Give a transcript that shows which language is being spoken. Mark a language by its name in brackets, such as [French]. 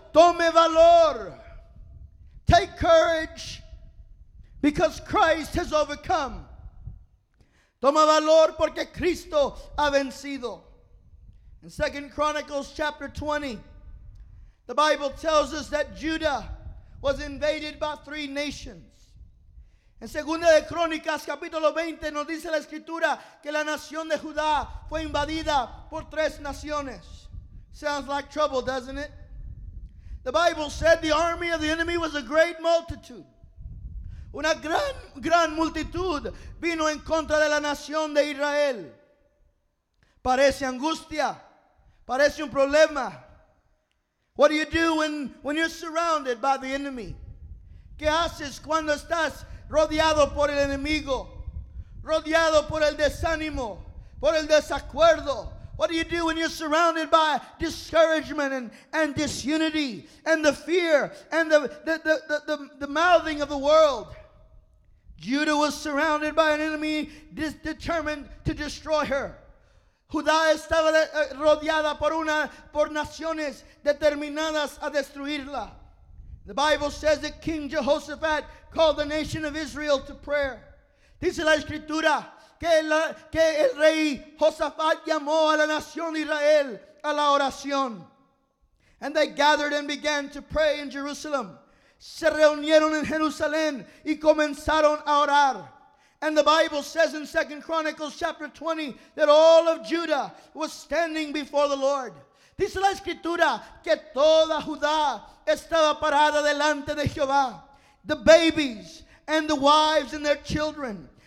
[Spanish] Tome valor. [English] Take courage, because Christ has overcome. [Spanish] Toma valor porque Cristo ha vencido. [English] In 2 Chronicles chapter 20, the Bible tells us that Judah was invaded by three nations. [Spanish] En 2 de Crónicas capítulo 20 nos dice la escritura que la nación de Judá fue invadida por tres naciones. [English] Sounds like trouble, doesn't it? The Bible said the army of the enemy was a great multitude. [Spanish] Una gran multitud vino en contra de la nación de Israel. Parece angustia. Parece un problema. [English] What do you do when you're surrounded by the enemy? [Spanish] ¿Qué haces cuando estás rodeado por el enemigo? Rodeado por el desánimo, por el desacuerdo. [English] What do you do when you're surrounded by discouragement and disunity and the fear and the mouthing of the world? Judah was surrounded by an enemy determined to destroy her. [Spanish] Judá estaba rodeada por naciones determinadas a destruirla. [English] The Bible says that King Jehoshaphat called the nation of Israel to prayer. [Spanish] Dice la escritura que el rey Josafat llamó a la nación de Israel a la oración. [English] And they gathered and began to pray in Jerusalem. [Spanish] Se reunieron en Jerusalén y comenzaron a orar. [English] And the Bible says in 2 Chronicles chapter 20 that all of Judah was standing before the Lord. [Spanish] Dice la escritura que toda Judá estaba parada delante de Jehová. [English] The babies and the wives and their children.